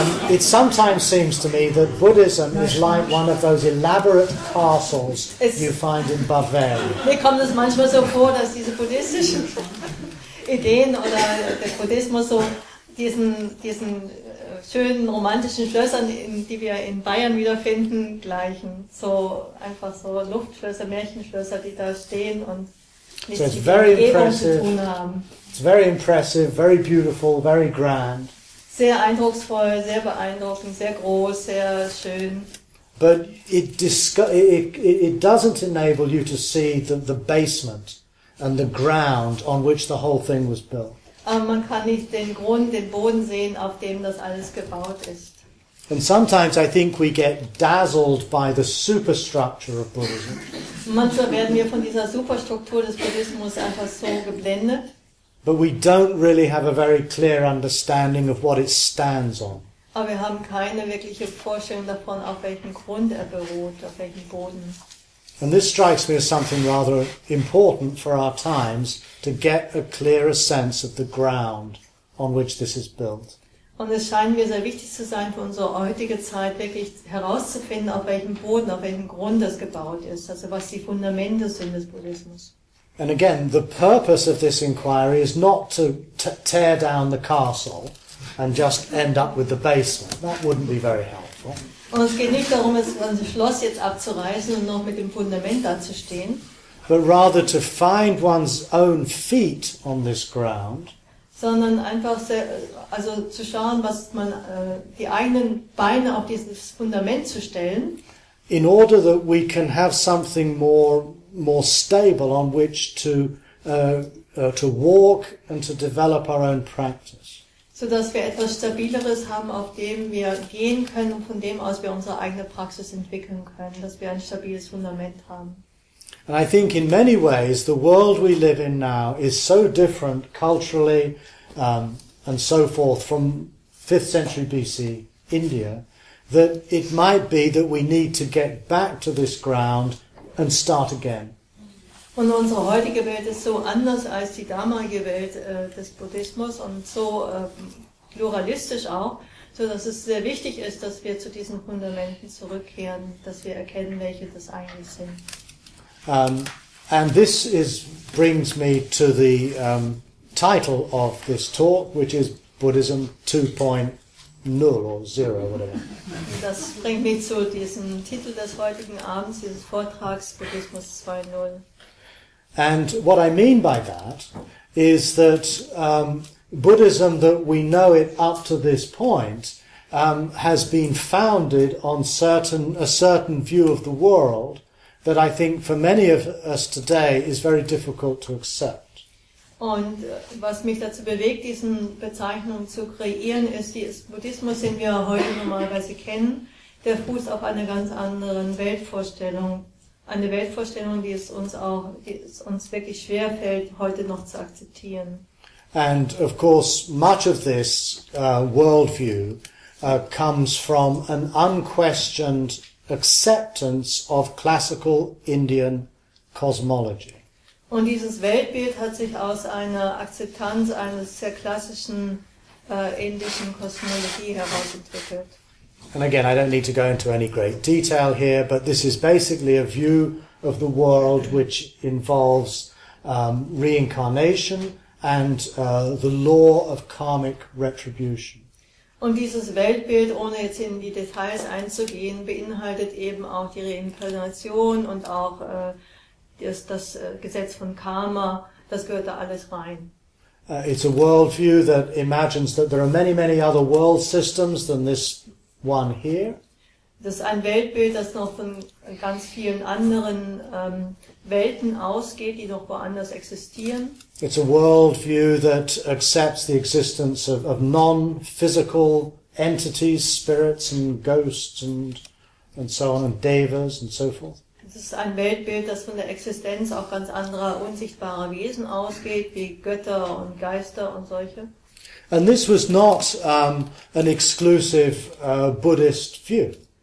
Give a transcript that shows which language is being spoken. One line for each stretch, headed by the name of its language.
English: It sometimes seems to me that Buddhism is like one of those elaborate castles you find in Bavaria.
German: Mir kommt es manchmal so vor, dass diese buddhistischen Ideen oder der Buddhismus so diesen schönen romantischen Schlössern, die wir in Bayern wiederfinden, gleichen. So einfach so Luftschlösser, Märchenschlösser, die da stehen und mit so der Umgebung zu tun haben.
English: It's very impressive, very beautiful, very grand.
German: Sehr eindrucksvoll, sehr beeindruckend, sehr groß, sehr schön.
English: But it doesn't enable you to see the basement and the ground on which the whole thing was built.
German: Man kann nicht den Grund, den Boden sehen, auf dem das alles gebaut ist.
English: And sometimes I think we get dazzled by the superstructure of Buddhism.
German: Manchmal werden wir von dieser Superstruktur des Buddhismus einfach so geblendet.
English: But we don't really have a very clear understanding of what it stands on.
German: Aber wir haben keine wirkliche Vorstellung davon, auf welchem Grund er beruht, auf welchem Boden.
English: And this strikes me as something rather important for our times, to get a clearer sense of the ground on which this is built.
German: Und es scheint mir sehr wichtig zu sein für unsere heutige Zeit, wirklich herauszufinden, auf welchem Boden, auf welchem Grund das gebaut ist, also was die Fundamente sind des Buddhismus.
English: And again, the purpose of this inquiry is not to tear down the castle and just end up with the basement. That wouldn't be very helpful.
German: Und es geht nicht darum, das Schloss jetzt abzureißen und noch mit dem Fundament dazustehen.
English: But rather to find one's own feet on this ground.
German: Sondern einfach sehr, also zu schauen, was man die eigenen Beine auf dieses Fundament zu stellen.
English: In order that we can have something more stable on which to walk and to develop our own practice.
German: So dass wir etwas Stabileres haben, auf dem wir gehen können und von dem aus wir unsere eigene Praxis entwickeln können, dass wir ein stabiles Fundament haben.
English: And I think in many ways the world we live in now is so different culturally and so forth from 5th century BC India that it might be that we need to get back to this ground and start again.
German: Und unsere heutige Welt ist so anders als die damalige Welt des Buddhismus und so pluralistisch auch, so dass es sehr wichtig ist, dass wir zu diesen Fundamenten zurückkehren, dass wir erkennen, welche das eigentlich sind.
English: And this brings me to the title of this talk, which is Buddhism 2.0 or 0, whatever.
German: Das bringt mich zu diesem Titel des heutigen Abends, dieses Vortrags, Buddhismus 2.0.
English: And what I mean by that is that Buddhism, that we know it up to this point, has been founded on a certain view of the world that I think for many of us today is very difficult to accept.
German: Und was mich dazu bewegt, diesen Bezeichnung zu kreieren, ist, dass Buddhismus, den wir heute normalerweise kennen, der fußt auf einer ganz anderen Weltvorstellung. Eine Weltvorstellung, die es uns wirklich schwer fällt, heute noch zu akzeptieren.
English: And of course, much of this worldview comes from an unquestioned acceptance of classical Indian cosmology.
German: Und dieses Weltbild hat sich aus einer Akzeptanz eines sehr klassischen indischen Kosmologie heraus entwickelt.
English: And again, I don't need to go into any great detail here, but this is basically a view of the world which involves reincarnation and the law of karmic retribution.
German: Und dieses Weltbild, ohne jetzt in die Details einzugehen, beinhaltet eben auch die Reinkarnation und auch das Gesetz von Karma. Das gehört da alles rein.
English: It's a worldview that imagines that there are many, many other world systems than this one here.
German: Das ist ein Weltbild, das noch von ganz vielen anderen Welten ausgeht, die noch woanders existieren.
English: It's a worldview that accepts the existence of non-physical entities, spirits and ghosts and so on, and devas and so forth.
German: Das ist ein Weltbild, das von der Existenz auch ganz anderer unsichtbarer Wesen ausgeht, wie Götter und Geister und solche.
English: And this was not an exclusive Buddhist view.